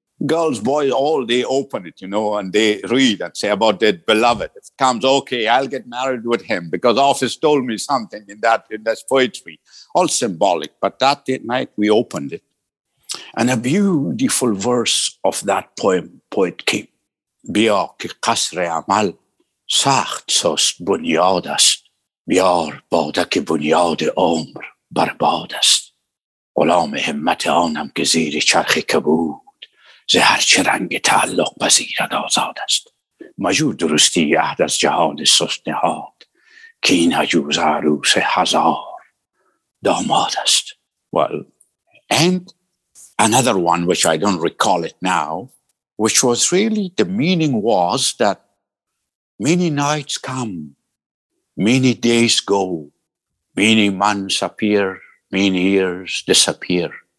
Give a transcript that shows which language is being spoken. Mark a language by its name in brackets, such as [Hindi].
[English] Girls, boys, all they open it, you know, and they read and say about their beloved. It comes, okay, I'll get married with him because office told me something in that poetry, all symbolic. But that night we opened it. And a beautiful verse of that poet came. [Persian] بیا که قصر عمل سخت سست بنیاد است. بیار باده که بنیاد عمر برباد است. غلام همت آنم که زیر چرخ کبود زهر چه رنگ تعلق پذیرد آزاد است. مجور درستی عهد از جهان سست نهاد که این عجوز عروس هزار داماد است. [English] Well, and another one which I don't recall it now, which was really, the meaning was that many nights come, many days go, many months appear, many years disappear.